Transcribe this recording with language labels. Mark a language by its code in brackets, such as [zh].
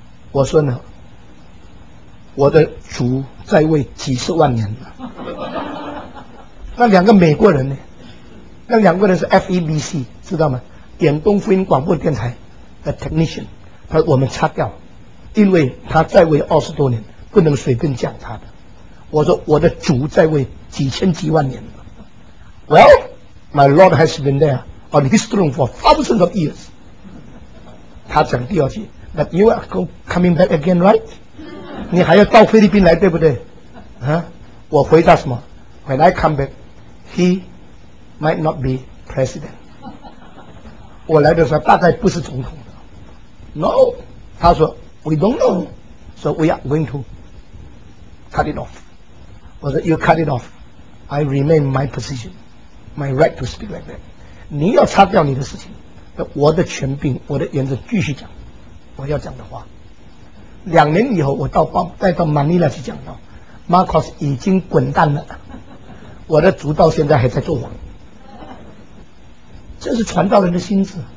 [zh] 我说呢，我的主在位几十万年了。那两个美国人呢？那两个人是 FEBC， 知道吗？远东福音广播电台的 technician， 他说我们擦掉，因为他在位20多年，不能随便讲他的。我说我的主在位几千万年了。 [en] Well, my Lord has been there on his throne for thousands of years. [zh] 他讲第二句 ， [en] But you are coming back again, right? [zh] 你还要到菲律宾来，对不对？啊，我回答什么 [en] ？When I come back, he might not be president. [zh] 我来的时候大概不是总统的。 [en] No， [zh] 他说 [en] ，We don't know， so we are going to cut it off. [zh] 我说 [en] ，You cut it off, I remain my position, my right to speak like that. [zh] 你要擦掉你的事情，我的权柄，我的原则继续讲，我要讲的话。 2年以后，我到马尼拉去讲道 ，Marcos 已经滚蛋了，我的主到现在还在做王，这是传道人的心智。